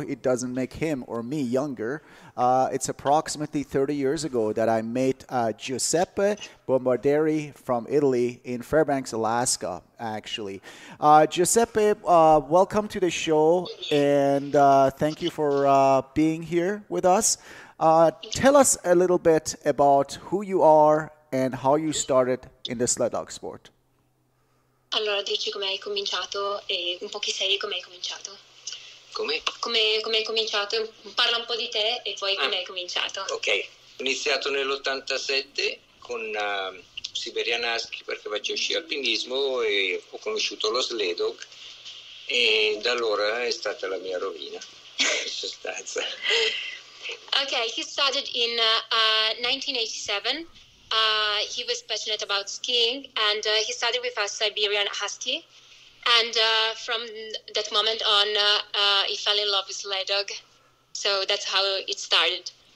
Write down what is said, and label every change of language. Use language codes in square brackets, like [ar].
[en] It doesn't make him or me younger. It's approximately 30 years ago that I met Giuseppe Bombardieri from Italy in Fairbanks, Alaska, actually. Giuseppe, welcome to the show, and thank you for being here with us. Tell us a little bit about who you are and how you started in the sled dog sport. [it] Allora, dirci com'è cominciato e un po' chi sei e com'è cominciato. Come hai cominciato? Parla un po' di te e poi come hai cominciato. Ok, ho iniziato nell'87 con Siberian Husky perché facevo sci alpinismo e ho conosciuto lo sledog e da allora è stata la mia rovina, in sostanza. [en] Ok, he started in 1987. He was passionate about skiing and he started with a Siberian Husky. And from that moment on, he fell in love with sled dog. So that's how it started.